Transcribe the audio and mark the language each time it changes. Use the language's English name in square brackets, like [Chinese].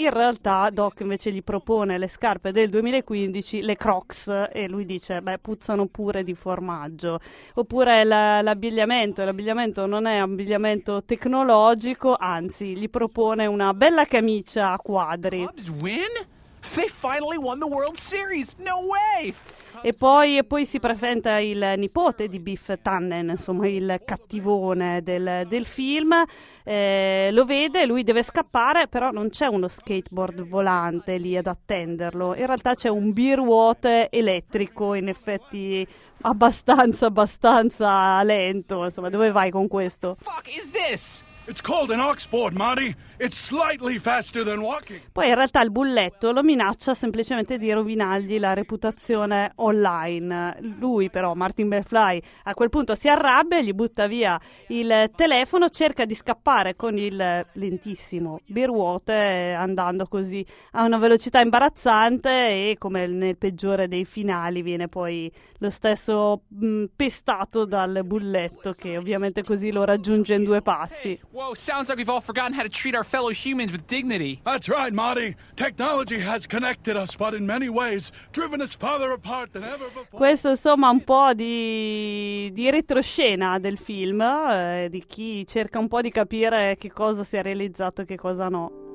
[Italian] In realtà Doc invece gli propone le scarpe del 2015, le Crocs, e lui dice: beh, puzzano pure di formaggio. Oppure l'abbigliamento non è abbigliamento tecnologico, anzi gli propone una bella camicia a quadri. [English] They finally won the World Series. No way. [Italian] E poi si presenta il nipote di Biff Tannen, insomma il cattivone del film. Lo vede, lui deve scappare, però non c'è uno skateboard volante lì ad attenderlo. In realtà c'è un birruote elettrico, in effetti abbastanza lento. Insomma, dove vai con questo? [English] Fuck is this? It's called an oxboard, Marty. It's slightly faster than walking. [Italian] Poi in realtà il bulletto lo minaccia semplicemente di rovinargli la reputazione online. Lui però, Martin McFly, a quel punto si arrabbia, gli butta via il telefono, cerca di scappare con il lentissimo birruote, andando così a una velocità imbarazzante, e come nel peggiore dei finali viene poi lo stesso pestato dal bulletto, che ovviamente così lo raggiunge in due passi. [English] Whoa, sounds like we've all forgotten how to treat our fellow humans with dignity. That's right, Marty. Technology has connected us, but in many ways driven us farther apart than ever before. [Italian] Questo insomma un po' di retroscena del film, di chi cerca un po' di capire che cosa si è realizzato e che cosa no.